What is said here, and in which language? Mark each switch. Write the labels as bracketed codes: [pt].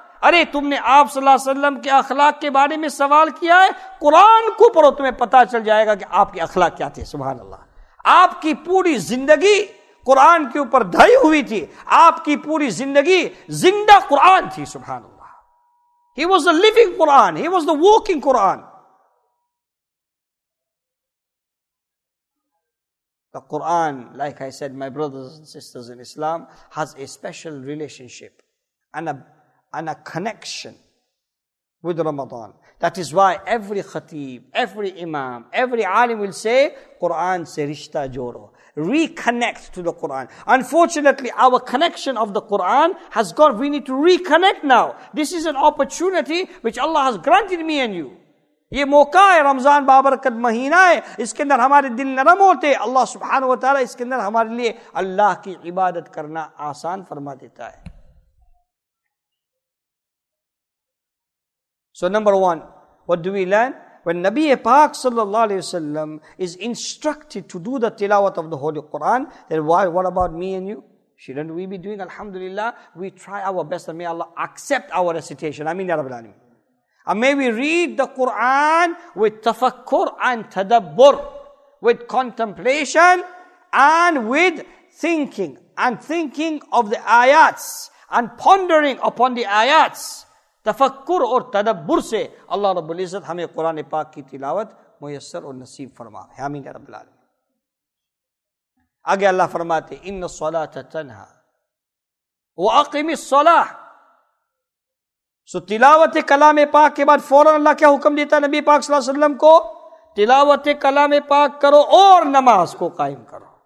[ur] ارے تم نے آپ صلی اللہ علیہ وسلم کے اخلاق کے بارے میں سوال کیا ہے، قرآن کو پڑھو، تمہیں پتا چل جائے گا کہ آپ کے کی اخلاق کیا تھے. سبحان اللہ، آپ کی پوری زندگی قرآن کے اوپر ڈھائی ہوئی تھی، آپ کی پوری زندگی زندہ قرآن تھی. [en] سبحان اللہ، He was the living Quran. He was the walking Quran. The Quran, like I said, my brothers and sisters in Islam, has a special relationship and a connection with Ramadan. That is why every khatib, every imam, every alim will say, [ur] Quran se rishta joro. [en] Reconnect to the Quran. Unfortunately, our connection of the Quran has gone. We need to reconnect now. This is an opportunity which Allah has granted me and you. [ur] یہ موقع ہے، رمضان بابرکت مہینہ ہے، اس کے اندر ہمارے دل نرم ہوتے، اللہ سبحانہ وتعالی اس کے اندر ہمارے لیے اللہ کی عبادت کرنا آسان فرما دیتا ہے. [en] So number one, what do we learn? When Nabi Pakh sallallahu alayhi wa sallam is instructed to do the tilawat of the Holy Quran, then why, what about me and you? Shouldn't we be doing, alhamdulillah, we try our best and may Allah accept our recitation. Ameen ya Rabbil Alameen. And may we read the Quran with tafakkur and tadabbur, with contemplation and with thinking, and thinking of the ayats and pondering upon the ayats. [ur] تفکر اور تدبر سے اللہ رب العزت ہمیں قرآن پاک کی تلاوت میسر اور نصیب فرما. آمین یا رب العالمین. آگے اللہ فرماتے، [ar] ان الصلاۃ تنہا واقم الصلاۃ. [ur] سو تلاوت کلام پاک کے بعد فوراً اللہ کیا حکم دیتا نبی پاک صلی اللہ علیہ وسلم کو؟ تلاوت کلام پاک کرو اور نماز کو قائم کرو.